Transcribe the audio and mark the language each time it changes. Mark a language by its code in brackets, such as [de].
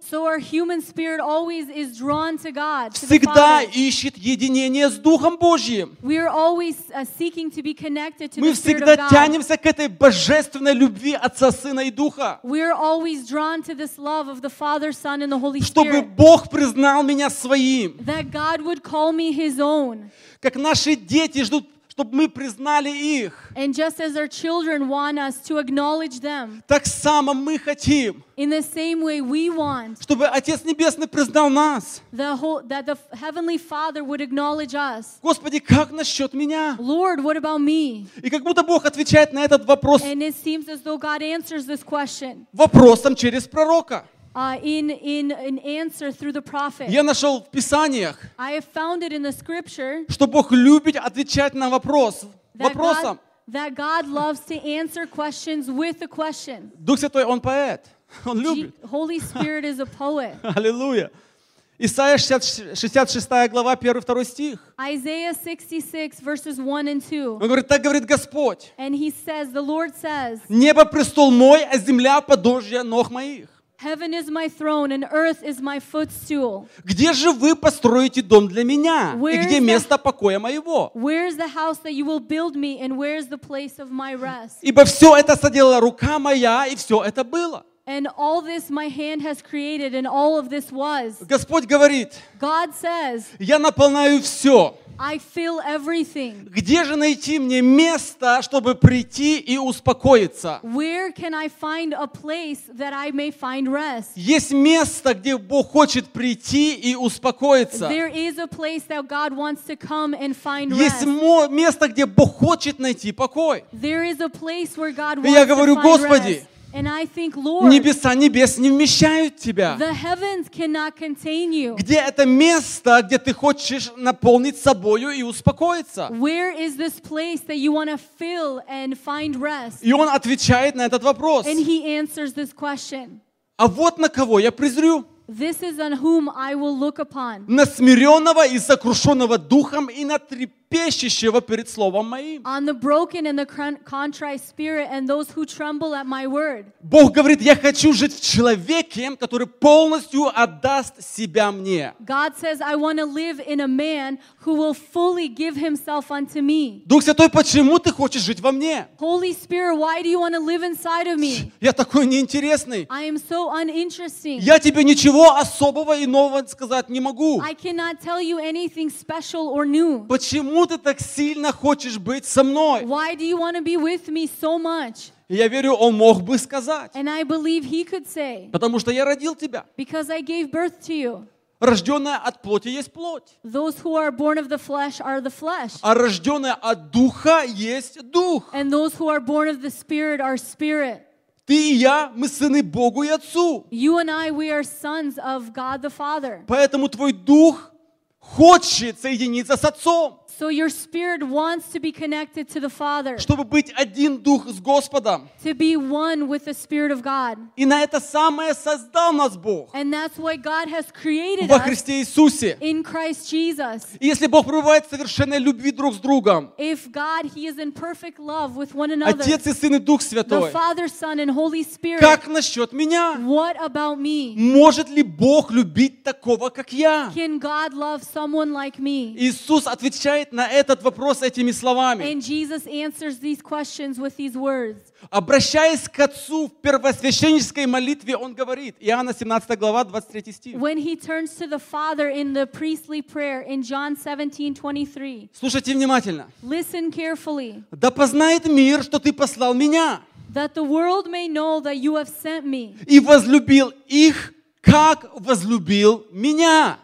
[en] So our human spirit always is drawn to God. [ru] Всегда ищет единение с Духом Божьим. [en] We are always seeking to be connected to the Spirit of God. [ru] Мы всегда тянемся к этой божественной любви отца, сына и духа. [en] We are always drawn to this love of the Father, Son, and the Holy Spirit. [ru] Чтобы Бог признал меня своим. [en] That God would call me His own. [ru] Как наши дети ждут, чтобы мы признали их. [en] And just as our children want us to acknowledge them. [ru] Так само мы хотим. [en] In the same way we want. [ru] Чтобы Отец Небесный признал нас. [en] That the Heavenly Father would acknowledge us. [ru] Господи, как насчет меня? [en] Lord, what about me? [ru] И как будто Бог отвечает на этот вопрос. [en] And it seems as though God answers this question. [ru] Вопросом через пророка. [en] In an answer through the prophet. [ru] Я нашел в Писаниях. [en] I have found it in the scripture. [ru] Что Бог любит отвечать на вопрос. Вопросом. [en] That God loves to answer questions with a question. [ru] Дух Святой, Он поэт. Он любит. [en] Holy Spirit is a poet. [ru] Аллилуйя. Исайя 66 глава, 1-2 стих. [en] Isaiah 66, verses 1 and 2. [ru] Он говорит, так говорит Господь. [en] And he says, the Lord says, [ru] небо престол мой, а земля подожья ног моих. [en] Heaven is my throne and earth is my footstool. [ru] Где же вы построите дом для меня? И где место покоя моего? [en] Where is the house that you will build me and where is the place of my rest? [ru] Ибо все это соделала рука моя, и все это было. [en] And all this my hand has created and all of this was. [ru] Господь говорит, [en] God says, [ru] я наполняю все. [en] I fill everything. [ru] Где же найти мне место, чтобы прийти и успокоиться? [en] Where can I find a place that I may find rest? [ru] Есть место, где Бог хочет прийти и успокоиться. [en] There is a place that God wants to come and find rest. [ru] Есть место, где Бог хочет найти покой. [en] There is a place where God wants to find rest. [ru] Я говорю, Господи, [en] and I think, Lord, [ru] небеса небес не вмещают тебя. [en] The heavens cannot contain you. [ru] Где это место, где ты хочешь наполнить собою и успокоиться? [en] Where is this place that you want to fill and find rest? [ru] И он отвечает на этот вопрос. [en] And he answers this question. [ru] А вот на кого я презрю? [en] This is on whom I will look upon. [ru] На смиренного и сокрушенного духом и на трепещущего перед словом моим. [en] On the broken and the contrite spirit and those who tremble at my word. [ru] Бог говорит, я хочу жить в человеке, который полностью отдаст себя мне. [en] God says, I want to live in a man who will fully give himself unto me. [ru] Дух Святой, почему ты хочешь жить во мне? [en] Holy Spirit, why do you want to live inside of me? [ru] Я такой неинтересный. [en] I am so uninteresting. [ru] Я тебе ничего особого и нового сказать не могу. [en] I cannot tell you anything special or new. [ru] Почему ты так сильно хочешь быть со мной? [en] Why do you want to be with me so much? [ru] Я верю, он мог бы сказать. [en] And I believe he could say. [ru] Потому что я родил тебя. [en] Because I gave birth to you. [ru] Рожденная от плоти есть плоть. [en] Those who are born of the flesh are the flesh. [ru] А рожденная от духа есть дух. [en] And those who are born of the spirit are spirit. [ru] Ты и я, мы сыны Богу и Отцу. [en] You and I, we are sons of God the Father. [ru] Поэтому твой дух хочет соединиться с Отцом. [en] So your spirit wants to be connected to the Father. [ru] Чтобы быть один дух с Господом. [en] To be one with the Spirit of God. [ru] И на это самое создал нас Бог. [en] And that's why God has created [ru] us. Во Христе Иисусе. [en] In Christ Jesus. [ru] И если Бог пребывает в совершенной любви друг с другом. [en] If God, He is in perfect love with one another. [ru] Отец и Сын и Дух Святой. [en] The Father, Son, and Holy Spirit. [ru] Как насчет меня? [en] What about me? [ru] Может ли Бог любить такого, как я? [en] Can God love someone like me? [ru] Иисус отвечает на этот вопрос этими словами. [en] And Jesus answers these questions with these words. [ru] Обращаясь к Отцу в первосвященнической молитве, Он говорит, Иоанна 17 глава, 23 стих. [en] When he turns to the Father in the priestly prayer in John 17:23. [ru] Слушайте внимательно. [en] Listen carefully. [ru] Да познает мир, что ты послал меня. [en] That the world may know that you have sent me. [ru] И возлюбил их, как возлюбил меня.